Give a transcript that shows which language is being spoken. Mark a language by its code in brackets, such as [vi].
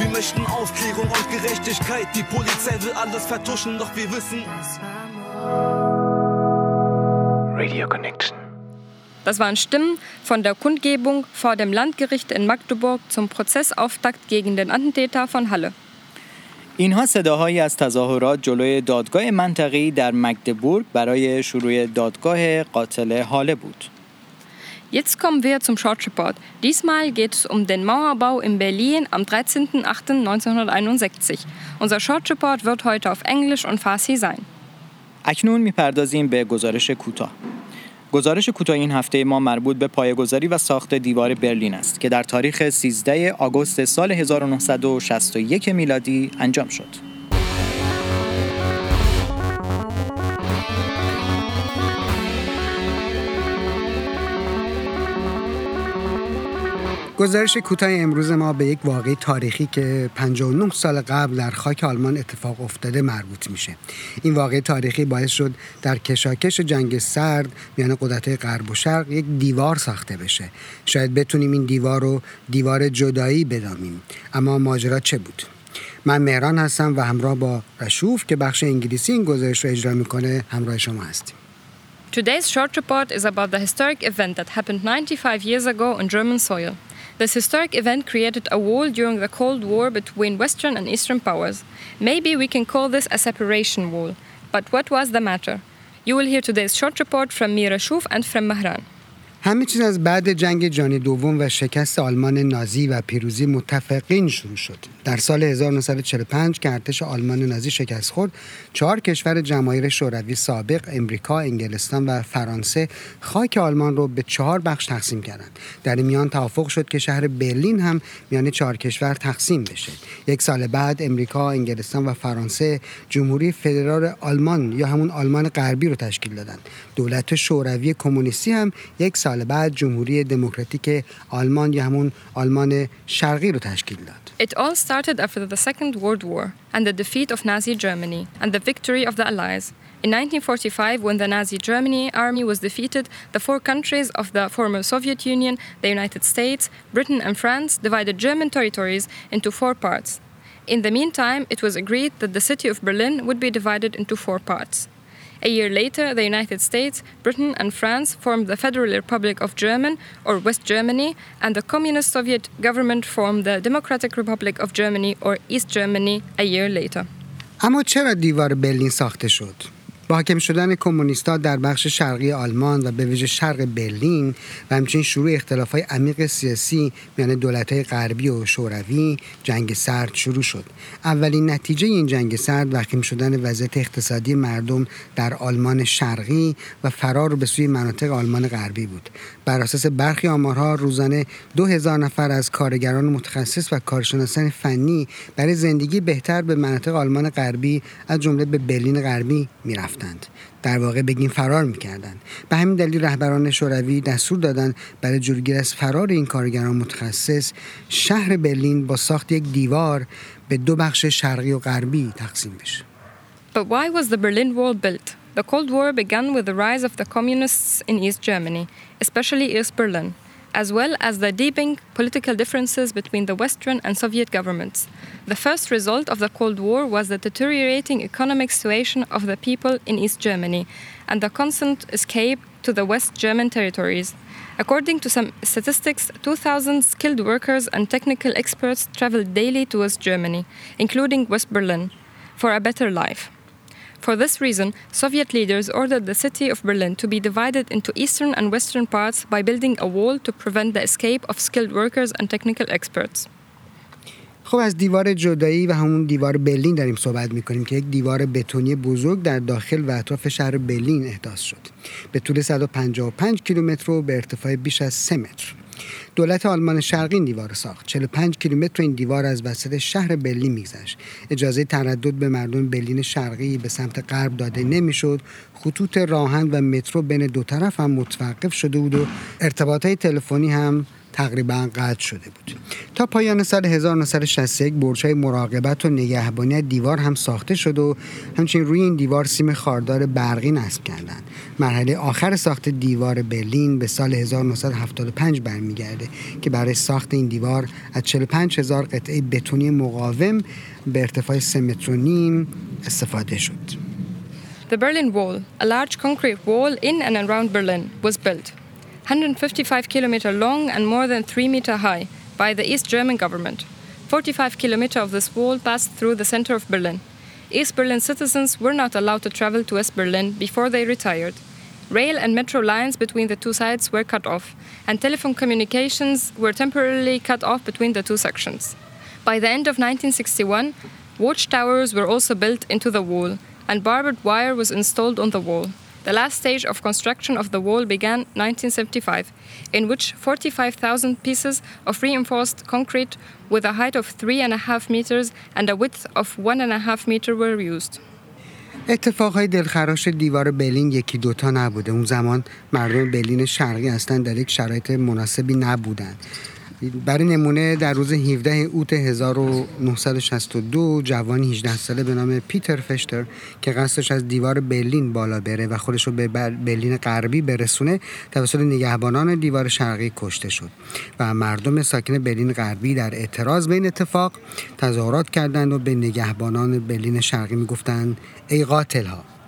[de] Wir möchten Aufklärung und Gerechtigkeit. Die Polizei will alles vertuschen, doch wir wissen, was war Mord. Radio Connection. Das waren Stimmen von der Kundgebung vor dem Landgericht in Magdeburg zum Prozessauftakt gegen den Attentäter von Halle. [fa] اینها صداهایی از تظاهرات جلوی دادگاه منطقه‌ای در مگدبورگ برای شروع دادگاه قاتل حاله بود. [de] Jetzt kommen wir zum Short-Report. Diesmal geht es um den Mauerbau in Berlin am 13.08.1961. Unser Short-Report wird heute auf Englisch und Farsi sein. [fa] اکنون می‌پردازیم به گزارش کوتاه. گزارش کوتاه این هفته ما مربوط به پایه‌گذاری و ساخت دیوار برلین است که در تاریخ 13 آگوست سال 1961 میلادی انجام شد. گزارش کوتاه امروز ما به یک واقعه تاریخی که 59 سال قبل در خاک آلمان اتفاق افتاده مربوط میشه. این واقعه تاریخی باعث شد در کشاکش جنگ سرد میان قدرت‌های غرب و شرق یک دیوار ساخته بشه. شاید بتونیم این دیوار رو دیوار جدایی بدانیم. اما ماجرا چه بود؟ من مهران هستم و همراه با رشوف که بخش انگلیسی این گزارش رو اجرا میکنه همراه شما هستیم. [en] Today's short report is about the historic event that happened 95 years ago on German soil. This historic event created a wall during the Cold War between Western and Eastern powers. Maybe we can call this a separation wall. But what was the matter? You will hear today's short report from Mira Shuf and from Mehran. [fa] همه چیز از بعد جنگ جهانی دوم و شکست آلمان نازی و پیروزی متفقین شروع شد. در سال 1945 که ارتش آلمان نازی شکست خورد، 4 کشور جماهیر شوروی سابق، امریکا، انگلستان و فرانسه، خاک آلمان رو به 4 بخش تقسیم کردند. در میان توافق شد که شهر برلین هم میان 4 کشور تقسیم بشه. یک سال بعد امریکا، انگلستان و فرانسه جمهوری فدرال آلمان یا همون آلمان غربی رو تشکیل دادند. دولت شوروی کمونیستی هم یک سال بعد جمهوری دموکراتیک آلمان یا همون آلمان شرقی رو تشکیل داد. [en] It all started after the Second World War and the defeat of Nazi Germany and the victory of the Allies. In 1945, when the Nazi Germany army was defeated, the four countries of the former Soviet Union, the United States, Britain and France divided German territories into four parts. In the meantime, it was agreed that the city of Berlin would be divided into four parts. A year later, the United States, Britain and France formed the Federal Republic of German, or West Germany, and the Communist Soviet government formed the Democratic Republic of Germany, or East Germany, a year later. [fa] اما چرا دیوار برلین ساخته شد؟ با حاکم شدن کمونیست‌ها در بخش شرقی آلمان و به ویژه شرق برلین و همچنین شروع اختلاف‌های عمیق سیاسی میان دولت‌های غربی و شوروی، جنگ سرد شروع شد. اولین نتیجه این جنگ سرد وخیم شدن وضعیت اقتصادی مردم در آلمان شرقی و فرار به سوی مناطق آلمان غربی بود. بر اساس برخی آمارها روزانه 2000 نفر از کارگران متخصص و کارشناسان فنی برای زندگی بهتر به مناطق آلمان غربی از جمله به برلین غربی می‌رفتند. در واقع بگیم فرار میکردند. به همین دلیل رهبران شوروی دستور دادند برای جلوگیری از فرار این کارگران متخصص شهر برلین با ساخت یک دیوار به دو بخش شرقی و غربی تقسیم بشه. [en] But why was the Berlin Wall built? The Cold War began with the rise of the communists in East Germany, especially East Berlin, as well as the deepening political differences between the Western and Soviet governments. The first result of the Cold War was the deteriorating economic situation of the people in East Germany and the constant escape to the West German territories. According to some statistics, 2,000 skilled workers and technical experts traveled daily to West Germany, including West Berlin, for a better life. For this reason, Soviet leaders ordered the city of Berlin to be divided into eastern and western parts by building a wall to prevent the escape of skilled workers and technical experts. [fa] خب از دیوار جدایی و همون دیوار برلین داریم صحبت میکنیم که یک دیوار بتونی بزرگ در داخل و اطراف شهر برلین احداث شد. به طول 155 کیلومتر و به ارتفاع بیش از 3 متر. دولت آلمان شرقی این دیوار ساخت. 45 کیلومتر این دیوار از وسط شهر برلین میگذشت. اجازه تردد به مردم برلین شرقی به سمت غرب داده نمیشد. خطوط راهن و مترو بین دو طرف هم متوقف شده بود و ارتباطات تلفنی هم تقریبا قطع شده بود. تا پایان سال 1961 برج‌های مراقبت و نگهبانی دیوار هم ساخته شد و همچنین روی این دیوار سیم خاردار برقی نصب کردند. مرحله آخر ساخت دیوار برلین به سال 1975 برمیگرده که برای ساخت این دیوار از 45000 قطعه بتونی مقاوم به ارتفاع 3 متر و نیم استفاده شد. [en] The Berlin Wall, a large concrete wall in and around Berlin, was built. 155 kilometer long and more than 3 meter high by the East German government. 45 kilometer of this wall passed through the center of Berlin. East Berlin citizens were not allowed to travel to West Berlin before they retired. Rail and metro lines between the two sides were cut off, and telephone communications were temporarily cut off between the two sections. By the end of 1961, watchtowers were also built into the wall, and barbed wire was installed on the wall. The last stage of construction of the wall began 1975, in which 45,000 pieces of reinforced concrete with a height of 3.5 meters and a width of 1.5 meter were used. [fa] اتفاقهای دلخراش دیوار برلین یکی دوتا نبوده. اون زمان مردم برلین شرقی اصلا در یک شرایط مناسبی نبودند. برای نمونه در روز 17 اوت 1962 جوان 18 ساله به نام پیتر فشتر که قصدش از دیوار برلین بالا بره و خودش رو به برلین غربی برسونه توسط نگهبانان دیوار شرقی کشته شد و مردم ساکن برلین غربی در اعتراض به این اتفاق تظاهرات کردند و به نگهبانان برلین شرقی میگفتند ای قاتلها.